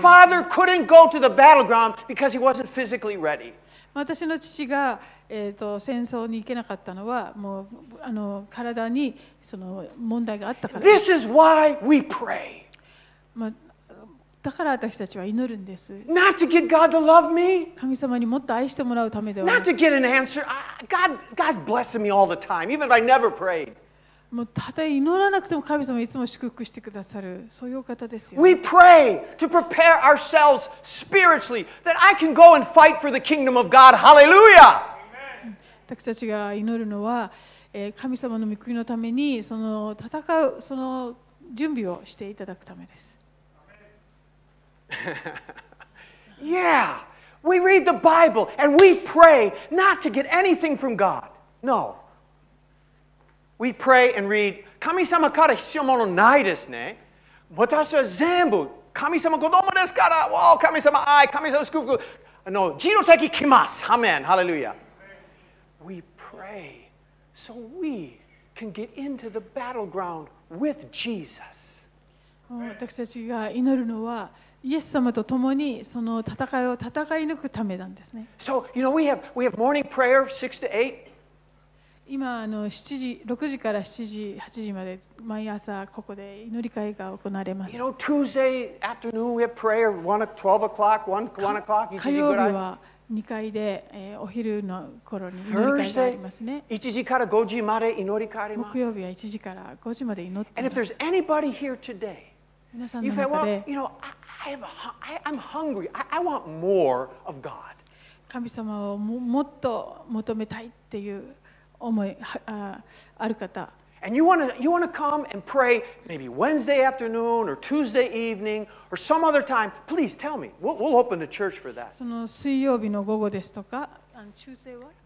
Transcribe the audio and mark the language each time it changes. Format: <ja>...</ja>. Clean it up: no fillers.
<en>My father couldn't go to the battleground because he wasn't physically ready.</en> <ja>私の父が、戦争に行けなかったのはもう体にその問題があったからです。</ja> <en>This is why we pray.、</en> <ja>だから私たちは祈るんです。</ja> <en>Not to get God to love me.</en> <ja>神様にもっと愛してもらうためでは。</ja> <en>Not to get an answer. God's blessing me all the time, even if I never prayed.</en> <ja>もうたとえ祈らなくても神様はいつも祝福してくださる、そういう方ですよ。</ja> <en>We pray to prepare ourselves spiritually that I can go and fight for the kingdom of God. Hallelujah!</en> <ja>私たちが祈るのは、神様の御国のためにその戦うその準備をしていただくためです。</ja> <en>Yeah, we read the Bible and we pray not to get anything from God. No. We pray and read,</en> <ja>神様から必要ものないですね。私は全部神様子供ですから、おお、神様愛、神様祝福、あの、自動的に来ます。アメン、ハレルヤ。</ja> <en>We pray so we can get into the battleground with Jesus.</en> <ja>私たちが祈るのは、イエス様と共にその戦いを戦い抜くためなんですね。</ja> <en>So, you know, we have morning prayer 6 to 8.</en> <ja>今あの7時6時から7時8時まで毎朝ここで祈り会が行われます。</ja> <en>You know, Tuesday afternoon we have prayer 1 o'clock, 1 o'clock, 1 o'clock.</en> <ja>火曜日は2階で、お昼の頃に祈り会がありますね。 Thursday 1時から5時まで祈り会あります。木曜日は1時から5時まで祈ってます。</ja> <en>And if there's anybody here today,</en> <ja>皆さんの中で、</ja> <en>you know, I'm hungry. I want more of God.</en> <ja>神様を もっと求めたいっていう。思いある方。</ja> <en>And you wanna come and pray maybe Wednesday afternoon or Tuesday evening or some other time. Please tell me. We'll open the church for that.</en> <ja>その水曜日の午後ですとか、あの Tuesday は？</ja>